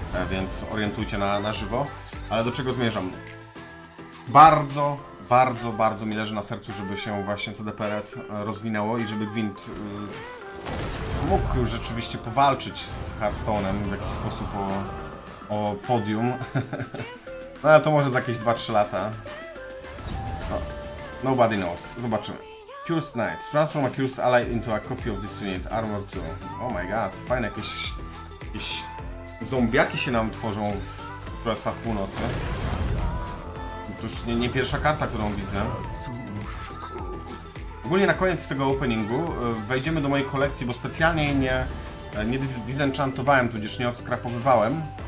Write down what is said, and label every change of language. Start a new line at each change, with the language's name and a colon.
Polish: Więc orientujcie na żywo. Ale do czego zmierzam? Bardzo, bardzo, bardzo mi leży na sercu, żeby się właśnie CDPR-et rozwinęło i żeby Gwint mógł rzeczywiście powalczyć z Hearthstone'em w jakiś sposób o podium. No ale to może za jakieś 2-3 lata.
English: No, nobody knows.
Polish: Zobaczymy.
English: Cursed Knight. Transform a cursed ally into a copy of this unit. Armor 2. Oh my god.
Polish: Fajne. Jakieś zombiaki się nam tworzą w Królestwach Północy. To już nie pierwsza karta, którą widzę. Ogólnie na koniec tego openingu wejdziemy do mojej kolekcji, bo specjalnie nie disenchantowałem, tudzież nie odskrapowywałem.